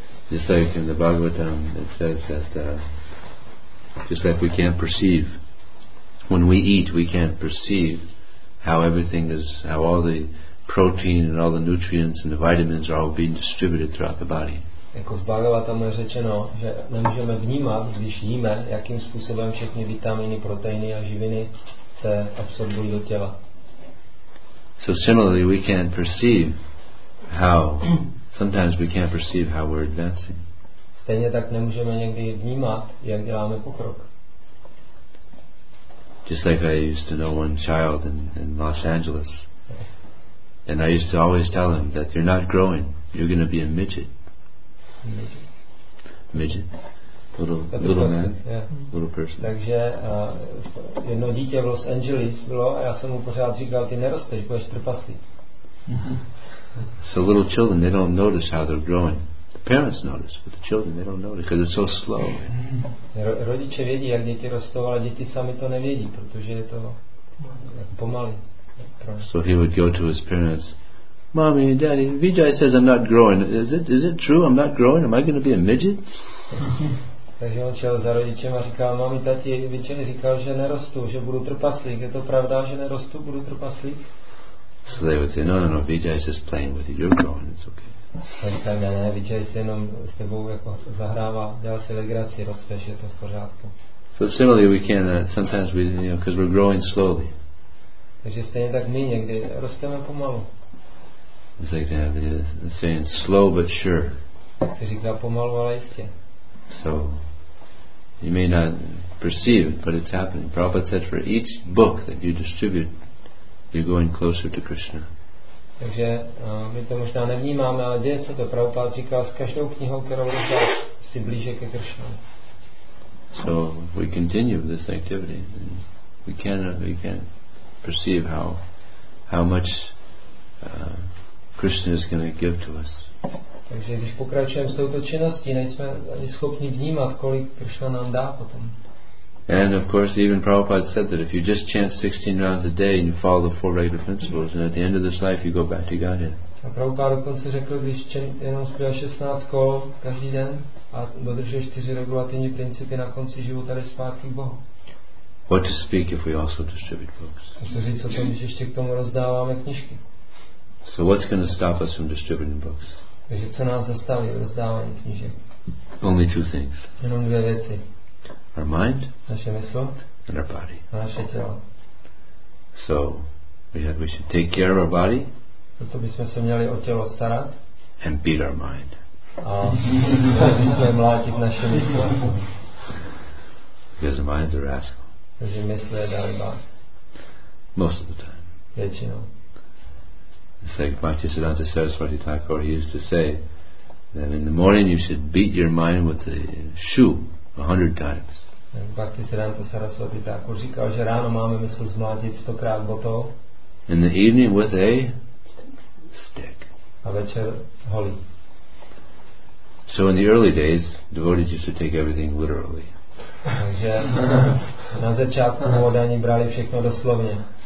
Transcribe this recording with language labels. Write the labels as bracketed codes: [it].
[en] Just like in the Bhagavatam, it says that just like we can't perceive when we eat, we can't perceive how everything is, how all the protein and all the nutrients and the vitamins are all being distributed throughout the body. [cs] Jako v Bhagavatamu je řečeno, že nemůžeme vnímat, když jíme, jakým způsobem všechny vitamíny, proteiny a živiny se absorbují do těla. [en] So similarly, we can't perceive how. Sometimes we can't perceive how we're advancing. [cs] Stejně tak nemůžeme někdy vnímat, jak děláme pokrok. [en] Just like I used to know one child in Los Angeles. And I used to always tell him that you're not growing, you're going to be a midget. Midget. Little man. Yeah. Little person. [cs] Takže jedno dítě v Los Angeles bylo a já jsem mu pořád říkal, ty nerosteš, budeš trpaslík. [en] So little children, they don't notice how they're growing. The parents notice, but the children, they don't notice because it's so slow. [cs] Rodiče vědí, jak děti rostou, ale děti sami to nevědí, protože je to pomalý. [en] So he would go to his parents, "Mommy, Daddy, Vijay says I'm not growing. Is it true? I'm not growing. Am I going to be a midget?" [cs] Takže on šel za rodičem a říkal, "Mami, tati, Vijay říkal, že nerostu, že budu trpaslík. Je to pravda, že nerostu, budu trpaslík?" [en] So they would say, "No, Vijay is just playing with you. You're growing. It's okay." [cs] Tady tam já ne, Vijay se jenom s tebou jako zahrává, dělá si legraci, rosteš, je to v pořádku. [en] So similarly we can sometimes we, you know, because we're growing slowly. [cs] Takže stejně tak my někdy rosteme pomalu. [en] It's like that, the saying, slow but sure. [cs] Se říká pomalu, ale jistě. [en] So you may not perceive it, but it's happening. Prabhupada said for each book that you distribute, you're going closer to Krishna. [cs] Takže my to možná nevnímáme, ale děje se to. Prabhupada říká, s každou knihou, kterou rozdáš, si blíže ke Krishna. [en] So we continue this activity and we can perceive how much Krishna is going to give to us. [cs] Takže když pokračujeme s touto činností, nejsme ani schopni vnímat, kolik Krishna nám dá potom. [en] And of course even Prabhupada said that if you just chant 16 rounds a day and you follow the four regular principles and at the end of this life you go back to Godhead. [cs] A Prabhupada dokonce řekl, když jenom zpíváš 16 kol každý den a dodržuješ 4 regulativní principy, na konci života jdeš zpátky k Bohu. [en] What to speak if we also distribute books? [cs] Co říct o tom, když ještě k tomu rozdáváme knižky? [en] So what's going to stop us from distributing books? [cs] Takže co nás zastaví v rozdávání knížek? [en] Only two things. [cs] Jenom dvě věci. [en] Our mind. [cs] Naše mysl. [en] And our body. [cs] A naše tělo. [en] So we should take care of our body. [cs] Proto bychom se měli o tělo starat. [en] And beat our mind. [cs] A měli bychom mlátit naše mysl. [en] Because the mind's a rascal. [cs] Takže mysl je darba. [en] Most of the time. [cs] Většinou. [en] It's like Bhaktisiddhanta Saraswati Thakur, he used to say that in the morning you should beat your mind with a shoe 100 times. [cs] Bhaktisiddhanta Saraswati Thakur říkal, že ráno máme mysl zmlátit 100krát botou. [en] In the evening with a stick. [cs] A večer holí. [en] So in the early days, devotees used to take everything literally. [cs] Takže na začátku vodaní brali všechno doslovně.